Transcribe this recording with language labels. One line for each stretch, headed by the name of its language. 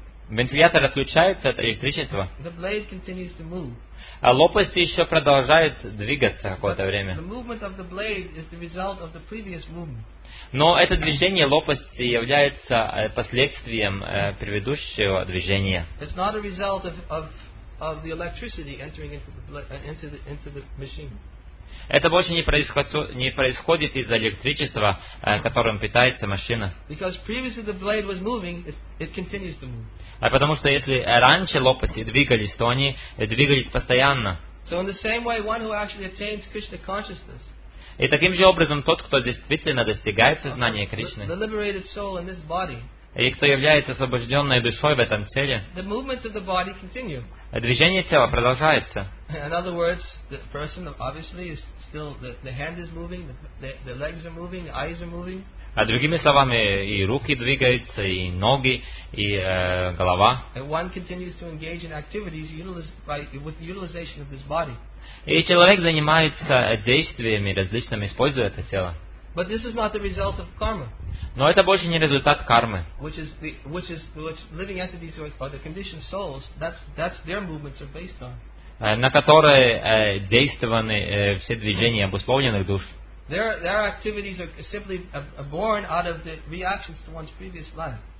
Russian: Вентилятор отключается от электричества.
English: The blade continues to move.
Russian: А лопасти еще продолжают двигаться какое-то время.
English: The movement of the blade is the result of the previous movement.
Russian: Но это движение лопасти является последствием предыдущего движения.
English: It's not a result of the electricity entering into the blade, into the machine.
Russian: Это больше не происходит из-за электричества, которым питается машина.
English: Because previously the blade was moving, it continues to move.
Russian: А потому что если раньше лопасти двигались, то они двигались постоянно.
English: So in the same way, one who actually attains Krishna consciousness.
Russian: И таким же образом тот, кто действительно достигает сознания Кришны,
English: the liberated soul in this body,
Russian: и кто является освобожденной душой в этом теле,
English: the movements of the body continue.
Russian: Движение тела продолжается.
English: In other words, the person obviously is still the hand is moving, the legs are moving, the eyes are moving.
Russian: А другими словами, и руки двигаются, и ноги, и голова.
English: And one continues to engage in activities with the utilization of this body.
Russian: И человек занимается действиями различными, используя это тело.
English: But this is not the result of karma.
Russian: Но это больше не результат кармы.
English: Which living entities or the conditioned souls, that's their movements are based on.
Russian: На которые действованы все движения обусловленных душ.
English: Their activities are simply born out of the reactions to one's previous life.